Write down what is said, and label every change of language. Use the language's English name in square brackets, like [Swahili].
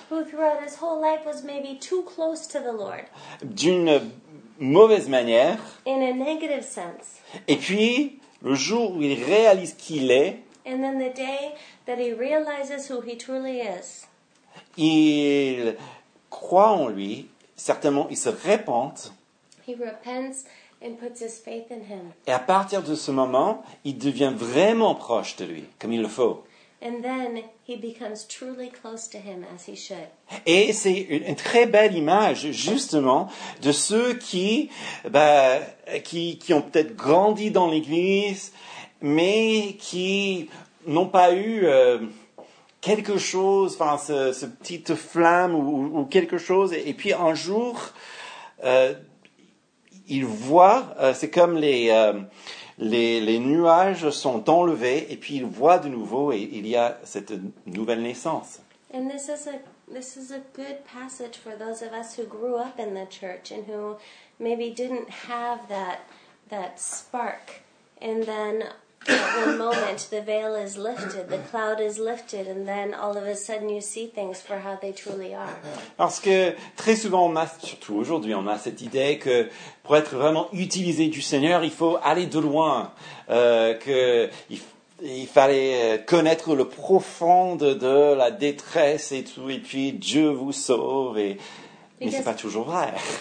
[English] Who throughout his whole life was maybe too close to the Lord. [French] D'une mauvaise manière. [English] In a negative sense. [French] Et puis, le jour où il réalise qui il est. [English] And then the day that he realizes who he truly is. [French] Il croit en lui, certainement il se répand. [English] He repents and puts his faith in him. [French] Et à partir de ce moment, il devient vraiment proche de lui, comme il le faut. [English] And then he becomes truly close to him as he should. [French] Et c'est une très belle image, justement, de ceux qui ont peut-être grandi dans l'église, mais qui n'ont pas eu quelque chose, enfin, ce petite flamme ou quelque chose. Et puis, un jour, ils voient, c'est comme les nuages sont enlevés, et puis ils voient de nouveau, et il y a cette nouvelle naissance. [English] And this is a good passage for those of us who grew up in the church, and who maybe didn't have that spark, and then At one moment, the veil is lifted, the cloud is lifted, and then all of a sudden you see things for how they truly are. [French] Parce que très souvent, on a, surtout aujourd'hui, on a cette idée que pour être vraiment utilisé du Seigneur, il faut aller de loin, qu'il fallait connaître le profond de la détresse et tout, et puis Dieu vous sauve, et... Mais ce n'est pas toujours vrai.